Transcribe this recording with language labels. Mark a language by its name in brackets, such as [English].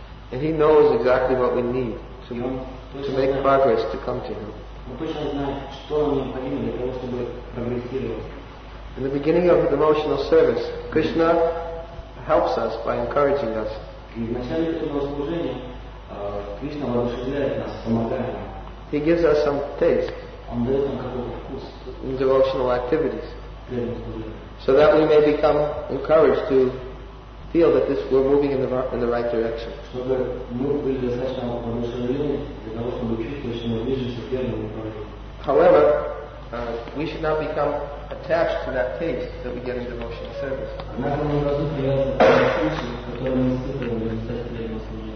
[English] And he knows exactly what we need to make progress to come to him. [Russian] Он точно знает, что нам необходимо для того, чтобы прогрессировать. [English] In the beginning of the devotional service, Krishna helps us by encouraging us. [Russian] И в начале этого служения Кришна воодушевляет нас, помогает. [English] He gives us some taste. [Russian] Он дает нам какой-то вкус. [English] In devotional activities. So that we may become encouraged to feel that this we're moving in the right direction. However, we should not become attached to that taste that we get in devotional service.